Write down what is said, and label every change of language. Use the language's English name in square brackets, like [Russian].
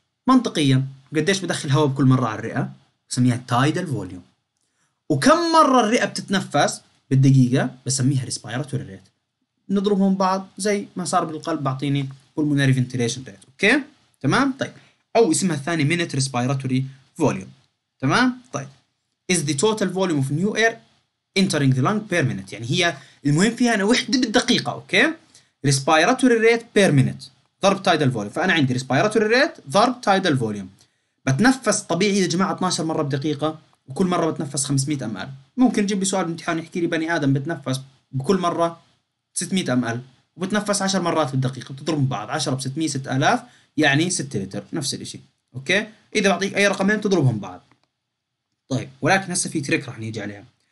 [Arabic] منطقيا قديش بدخل هواء بكل مرة على الرئة بسميها tidal volume، وكم مرة الرئة بتتنفس بالدقيقة بسميها respiratory rate. نضربهم بعض زي ما صار بالقلب بعطيني pulmonary ventilation rate. أوكي تمام. طيب أو اسمها الثاني minute respiratory volume. تمام. [English] طيب is the total volume of new air entering the lung per minute، [Arabic] يعني هي المهم فيها أنا وحدة بالدقيقة. أوكي respiratory rate per minute ضرب tidal volume، فأنا عندي respiratory rate ضرب tidal volume. بتنفس طبيعي يا جماعة 12 مرة بدقيقة وكل مرة بتنفس 500 ml. ممكن تجيب لي سؤال بامتحان يحكي لي بني آدم بتنفس بكل مرة 600 ml وبتنفس 10 مرات بالدقيقة، بتضرب بعض 10 × 600 6000 يعني 6 لتر، نفس الإشي. أوكي إذا بعطيك أي رقمين تضربهم بعض. طيب ولكن هسه في تريك رح نيجي عليها.